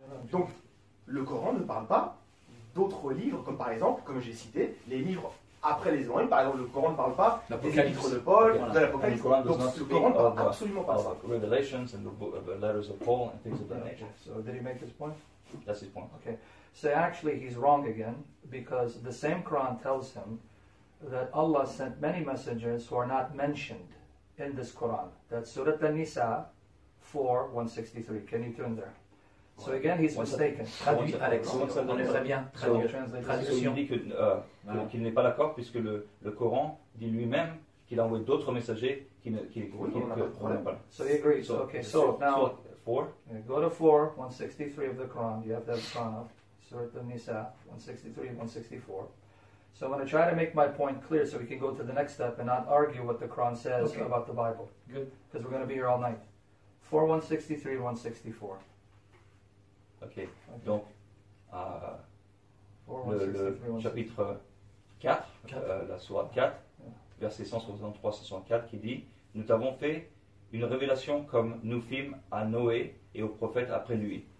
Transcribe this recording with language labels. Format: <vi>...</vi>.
<fr>Donc, le Coran ne parle pas d'autres livres, comme par exemple, comme j'ai cité, les livres après les Évangiles. Par exemple, le Coran ne parle pas des Épîtres de Paul, okay, de l'Apocalypse. Voilà. Donc, le Coran ne parle absolument pas de ça.</fr> <en>Revelations and the letters of Paul and things of that nature. So, did he make this point? That's his point. Okay. So, actually, he's wrong again, because the same Quran tells him that Allah sent many messengers who are not mentioned in this Quran. That's Surah An-Nisa 4:163. Can you turn there? So again, he's mistaken.</en> <fr>Traduction. Il dit qu'il n'est pas d'accord puisque le Coran dit lui-même qu'il a envoyé d'autres messagers qui ne qui</fr> <en>pas. So he agrees. So, okay. So now, four. Go to 4:163 of the Quran. You have that Quran of Surah An-Nisa 163:164. So I'm going to try to make my point clear so we can go to the next step and not argue what the Quran says okay. about the Bible. Good. Because we're going to be here all night. 4:163:164. Okay. Okay.</en> <fr>Donc, 4, verset 163-164, qui dit, « Nous t'avons fait une révélation comme nous fîmes à Noé et aux prophètes après lui.</fr>